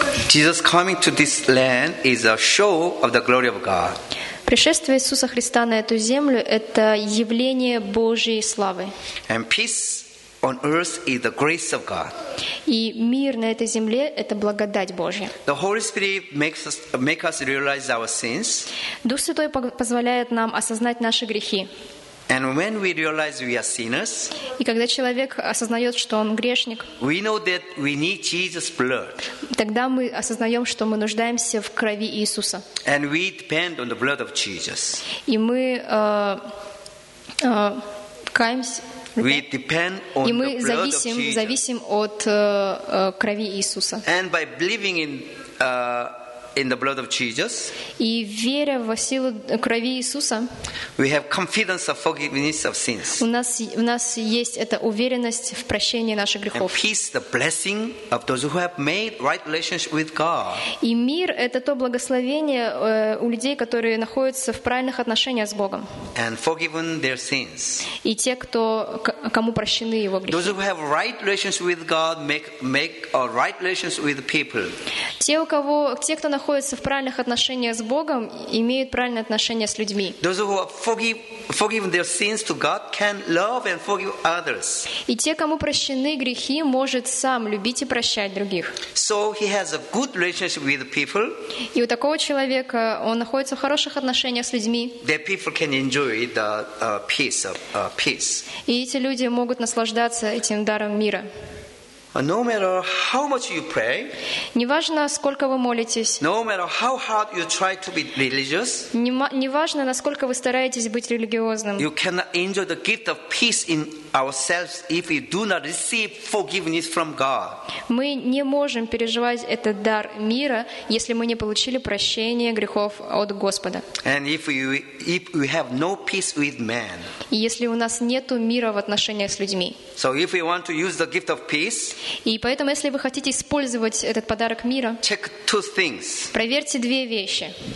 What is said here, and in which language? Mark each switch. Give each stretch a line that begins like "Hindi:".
English: Jesus coming to this land is a show of the glory of God.
Russian: Пришествие Иисуса Христа на эту землю — это явление Божьей славы.
English: And peace on earth is the grace of God.
Russian: И мир на этой земле — это благодать Божья.
English: The Holy Spirit makes us realize our sins.
Russian: Дух Святой позволяет нам осознать наши грехи.
English: And when we realize we are sinners,
Russian: и когда человек осознает, что он грешник,
English: we know that we need Jesus' blood.
Russian: Тогда мы осознаем, что мы нуждаемся в крови Иисуса.
English: And we depend on the blood of Jesus.
Russian: И мы каемся.
English: We depend on
Russian: и мы зависим от крови Иисуса.
English: And by believing in the blood of Jesus,
Russian: и веря в силу крови Иисуса,
English: we have confidence of forgiveness of sins.
Russian: У нас есть эта уверенность в прощении наших грехов.
English: And peace, the blessing of those who have made right relationship with God.
Russian: И мир — это то благословение у людей, которые находятся в правильных отношениях с Богом.
English: And forgiven their sins.
Russian: И те, кто кому прощены его грехи.
English: Those who have right relationship with God make a right relationship with people.
Russian: Те, кто находятся в правильных отношениях с Богом, имеют правильные отношения с людьми.
English: Those who have forgiven their sins to God can love and forgive others.
Russian: И те, кому прощены грехи, может сам любить и прощать других.
English: So he has a good relationship with people.
Russian: И у такого человека он находится в хороших отношениях с людьми.
English: The people can enjoy the peace of peace.
Russian: И эти люди могут наслаждаться этим даром мира.
English: No matter how much you pray,
Russian: неважно сколько вы молитесь.
English: No matter how hard you try to be religious,
Russian: неважно насколько вы стараетесь быть религиозным.
English: You cannot enjoy the gift of peace in ourselves if we do not receive forgiveness from God.
Russian: Мы не можем переживать этот дар мира, если мы не получили прощение грехов от Господа.
English: And if we have no peace with man,
Russian: если у нас нету мира в отношениях с людьми.
English: So if we want to use the gift of peace.
Russian: И поэтому, если вы хотите использовать этот подарок мира, проверьте две вещи.